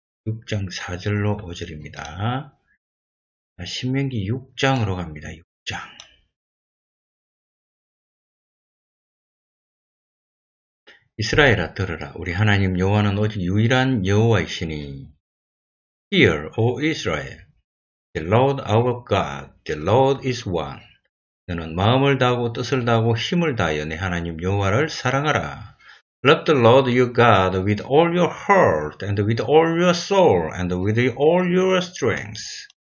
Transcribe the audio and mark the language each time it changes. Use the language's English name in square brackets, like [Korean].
[Korean] 6장 4절로 5절입니다. 신명기 6장으로 갑니다. 6장. 이스라엘아 들으라. 우리 하나님 여호와는 오직 유일한 여호와이시니. [English] Hear, O Israel. The Lord our God, the Lord is one. [Korean] 너는 마음을 다하고 뜻을 다하고 힘을 다하여 내 하나님 여호와를 사랑하라. [English] Love the Lord your God with all your heart and with all your soul and with all your strength.